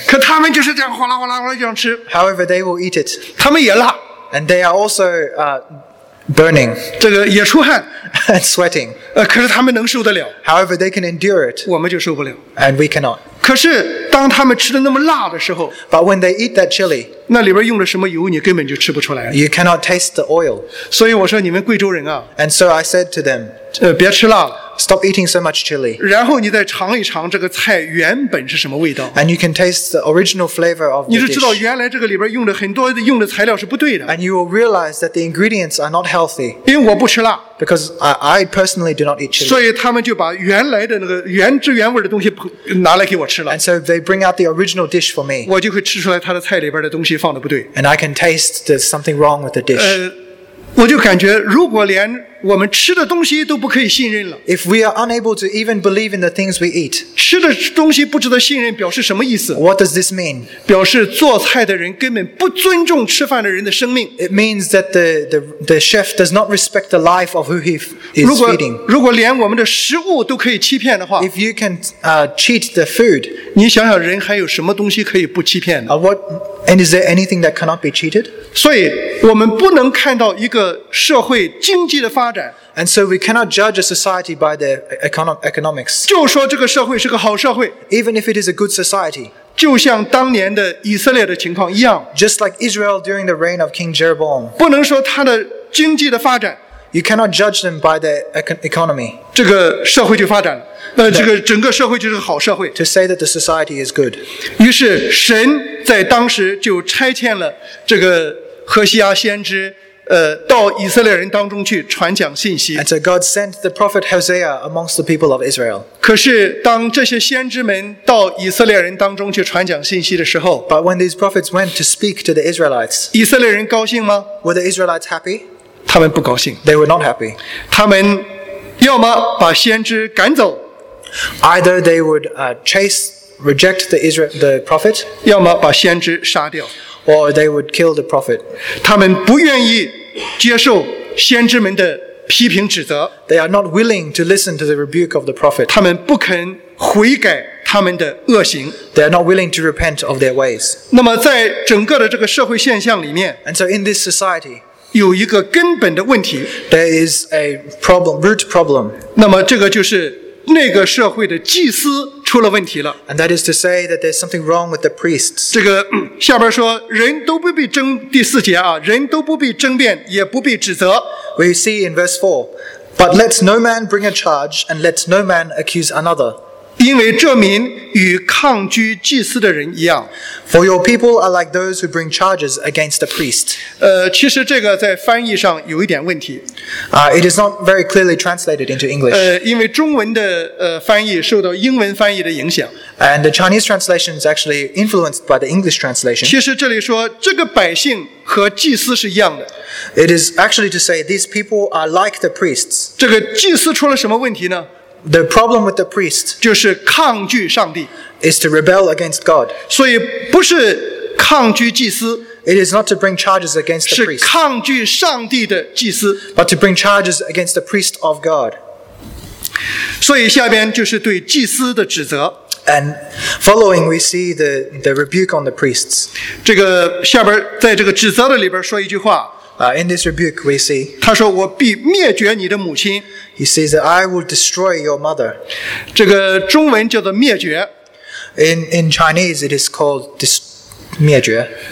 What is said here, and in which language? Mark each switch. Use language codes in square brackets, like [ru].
[zh] 可他们就是这样哗啦哗啦哗啦这样吃。 [en] However, they will eat it. [zh] 他们也辣。 [en] And they are also burning. [zh] 这个也出汗。 [en] And sweating. [zh] 可是他们能受得了。 [en] However, they can endure it. [zh] 我们就受不了。 [en] And we cannot. [zh] 可是当他们吃的那么辣的时候。 [en] But when they eat that chili. [zh] 那里边用了什么油你根本就吃不出来。 [en] You cannot taste the oil. [zh] 所以我说你们贵州人啊。 [en] And so I said to them. [zh] 别吃辣了。 [en] Stop eating so much chili. [zh] 然后你再尝一尝这个菜原本是什么味道。 [en] And you can taste the original flavor of the dish. [zh] 你就知道原来这个里边用的很多的用的材料是不对的。 [en] And you will realize that the ingredients are not healthy. [zh] 因为我不吃辣。 [en] Because I personally do not eat chili. [zh] 所以他们就把原来的那个原汁原味的东西拿来给我吃了。 [en] And so they bring out the original dish for me. [zh] 我就会吃出来他的菜里边的东西放的不对。 [en] And I can taste there's something wrong with the dish. [zh] 我就感觉如果连我们吃的东西都不可以信任了。 [en] If we are unable to even believe in the things we eat, [zh] 吃的东西不值得信任，表示什么意思 [en] ？What does this mean? [zh] 表示做菜的人根本不尊重吃饭的人的生命。 [en] It means that the chef does not respect the life of who he is feeding. [zh] 如果连我们的食物都可以欺骗的话 [en] ，If you can cheat the food, [zh] 你想想人还有什么东西可以不欺骗 [en] And is there anything that cannot be cheated? [zh] 所以我们不能看到一个社会经济的发展。 [en] And so we cannot judge a society by their economics. [zh] 就说这个社会是个好社会。 [en] Even if it is a good society. [zh] 就像当年的以色列的情况一样。 [en] Just like Israel during the reign of King Jeroboam. [zh] 不能说他的经济的发展。 [en] You cannot judge them by their economy. [zh] 这个社会就发展了。这个整个社会就是好社会。 [en] To say that the society is good. [zh] 于是神在当时就差遣了这个何西阿先知。到以色列人当中去传讲信息。 [en] And so God sent the prophet Hosea amongst the people of Israel. [zh] 可是当这些先知们到以色列人当中去传讲信息的时候 [en] ，But when these prophets went to speak to the Israelites, [zh] 以色列人高兴吗 [en] ？Were the Israelites happy? [zh] 他们不高兴。 [en] They were not happy. [zh] 他们要么把先知赶走 [en] ，Either they would chase, reject the prophet, [zh] 要么把先知杀掉。 [en] Or they would kill the prophet. [zh] 他们不愿意接受先知们的批评指责。 [en] They are not willing to listen to the rebuke of the prophet. [zh] 他们不肯悔改他们的恶行。 [en] They are not willing to repent of their ways. [zh] 那么在整个的这个社会现象里面 [en] ，And so in this society, [zh] 有一个根本的问题。 [en] There is a problem, root problem. [zh] 那么这个就是那个社会的祭司。出了问题了。 [en] And that is to say that there's something wrong with the priests. [zh] 这个下边说，人都不必争第四节啊，人都不必争辩，也不必指责。 [en] We see in verse 4, but let no man bring a charge, and let no man accuse another. [zh] 因为这民与抗拒祭司的人一样。 [en] For your people are like those who bring charges against the priest. [zh] 其实这个在翻译上有一点问题。 [en] It is not very clearly translated into English. [zh] 因为中文的翻译受到英文翻译的影响。 [en] And the Chinese translation is actually influenced by the English translation. [zh] 其实这里说这个百姓和祭司是一样的。 [en] It is actually to say these people are like the priests. [zh] 这个祭司出了什么问题呢？ [en] The problem with the priest [zh] 就是抗拒上帝 [en] is to rebel against God. [zh] 所以不是抗拒祭司 [en] it is not to bring charges against the priest. [zh] 是抗拒上帝的祭司 [en] but to bring charges against the priest of God. [zh] 所以下边就是对祭司的指责 [en] and following we see the rebuke on the priests. [zh] 这个下边在这个指责的里边说一句话 [en] in this rebuke we see. [zh] 他说我必灭绝你的母亲。 [en] He says that I will destroy your mother. [zh] 这个中文叫做灭绝。 [en] In Chinese, it is called 灭绝。